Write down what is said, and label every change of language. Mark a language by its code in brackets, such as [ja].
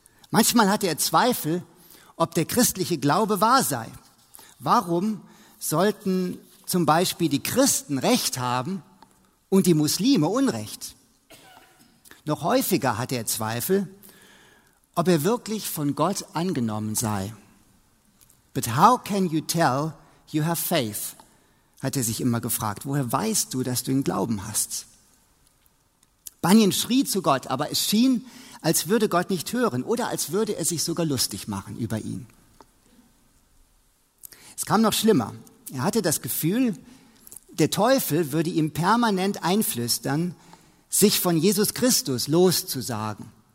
[de] Manchmal hatte er Zweifel, ob der christliche Glaube wahr sei. Warum sollten zum Beispiel die Christen Recht haben und die Muslime Unrecht? Noch häufiger hatte er Zweifel, ob er wirklich von Gott angenommen sei. [en] But how can you tell you have faith? [de] Hat er sich immer gefragt. Woher weißt du, dass du den Glauben hast? Bunyan schrie zu Gott, aber es schien, als würde Gott nicht hören oder als würde er sich sogar lustig machen über ihn. Es kam noch schlimmer. Er hatte das Gefühl, der Teufel würde ihm permanent einflüstern, sich von Jesus Christus loszusagen.